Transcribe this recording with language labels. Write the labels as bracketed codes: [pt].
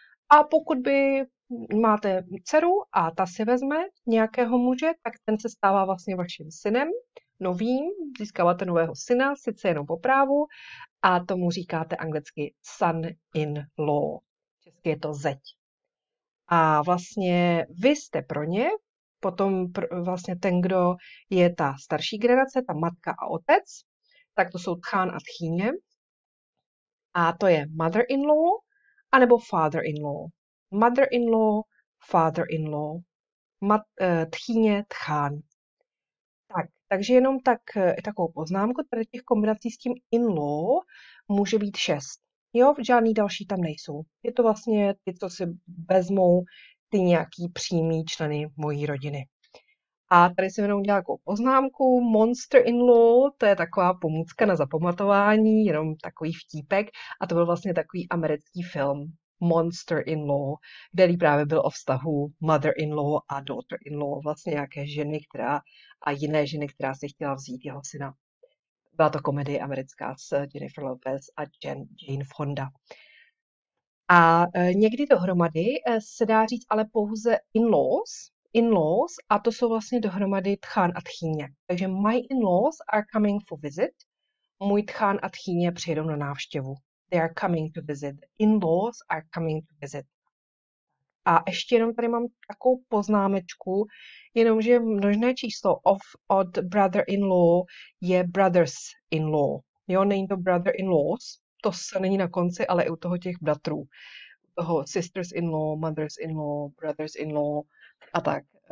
[cs] A pokud by máte dceru a ta si vezme nějakého muže, tak ten se stává vlastně vaším synem, novým, získáváte nového syna, sice jenom po právu, a tomu říkáte anglicky son-in-law. Česky je to zeť. A vlastně vy jste pro ně, potom vlastně ten, kdo je ta starší generace, ta matka a otec, tak to jsou tchán a tchýně. A to je mother-in-law anebo father-in-law. Mother-in-law, father-in-law, tchýně, tchán. Takže jenom takovou poznámku, tady těch kombinací s tím in-law může být šest. Jo, žádný další tam nejsou. Je to vlastně ty, co si vezmou ty nějaký přímý členy mojí rodiny. A tady jsem jenom udělala nějakou poznámku. Monster in-law, to je taková pomůcka na zapamatování, jenom takový vtípek. A to byl vlastně takový americký film Monster in-law, který právě byl o vztahu mother in-law a daughter in-law, vlastně nějaké ženy, která a jiné ženy, která si chtěla vzít jeho syna. Byla to komedie americká s Jennifer Lopez a Jane Fonda. A někdy dohromady se dá říct ale pouze in-laws, a to jsou vlastně dohromady tchán a tchýně. Takže [en] my in-laws are coming for visit. [cs] Můj tchán a tchýně přijedou na návštěvu. [en] They are coming to visit. In-laws are coming to visit. [cs] A ještě jenom tady mám takovou poznámečku, jenomže množné číslo od brother-in-law je brothers-in-law. Jo, není to brother-in-laws, to se není na konci, ale i u toho těch bratrů. U toho sisters-in-law, mothers-in-law, brothers-in-law a tak.